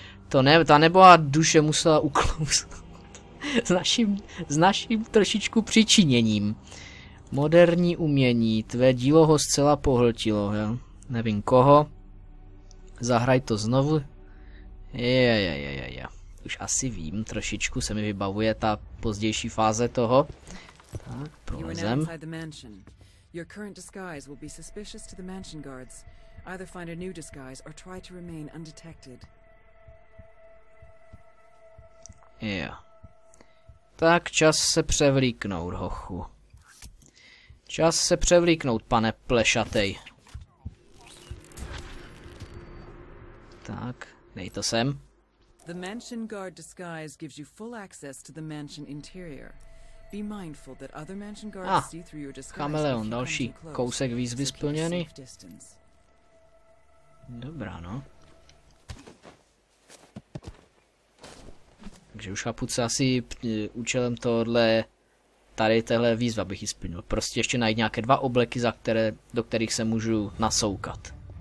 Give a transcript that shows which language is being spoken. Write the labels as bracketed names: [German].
[Czech] To ne, ta nebohá duše musela uklouznout. s naším trošičku přičiněním. Moderní umění, tvé dílo ho zcela pohltilo, jo? Nevím koho. Zahraj to znovu. Je. Už asi vím, trošičku se mi vybavuje ta pozdější fáze toho. Tak, prolezem. [English] Your current disguise will be suspicious to the mansion guards. Either find a new disguise or try to remain undetected. Yeah. [Czech] Tak čas se převlíknout, hochu. Čas se převlíknout, pane plešatej. Tak, dej to sem. [English] The mansion guard disguise gives you full access to the mansion interior. Be mindful that other mansion guards see through your disguise. [Czech] Chameleon, další kousek výzvy splněný. Dobrá, no. Takže už chápu, co asi účelem tohle tady téhle výzva bych ji splnil. Prostě ještě najít nějaké dva obleky, za které, do kterých se můžu nasoukat.